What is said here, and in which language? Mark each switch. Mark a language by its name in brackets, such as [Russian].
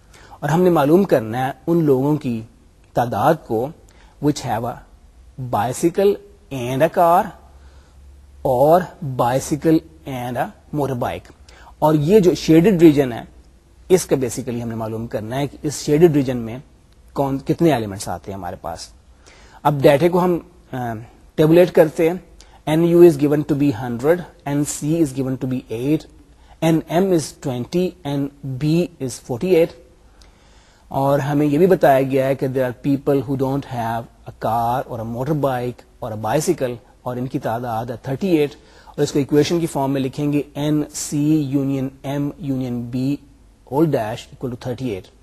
[Urdu] اور ہم نے معلوم کرنا ہے ان لوگوں کی تعداد کو [English] Which have a bicycle and a car or bicycle and a motorbike. [Urdu] اور یہ جو شیڈڈ ریجن ہے اس کا بیسیکلی ہم نے معلوم کرنا ہے کہ اس شیڈڈ ریجن میں کون کتنے ایلیمنٹس آتے ہیں ہمارے پاس. اب ڈیٹا کو ہم ٹیبولیٹ کرتے ہیں. [English] N U is given to be 100, N C is given to be 8, N M is 20, N B is 48. [Urdu] اور ہمیں یہ بھی بتایا گیا ہے کہ [English] there are people who don't have a car or a motorbike or a bicycle [Urdu] اور ان کی تعداد ہے 38. اس کو اکویشن کی فارم میں لکھیں گے [English] N C union M union B whole dash equal to 38.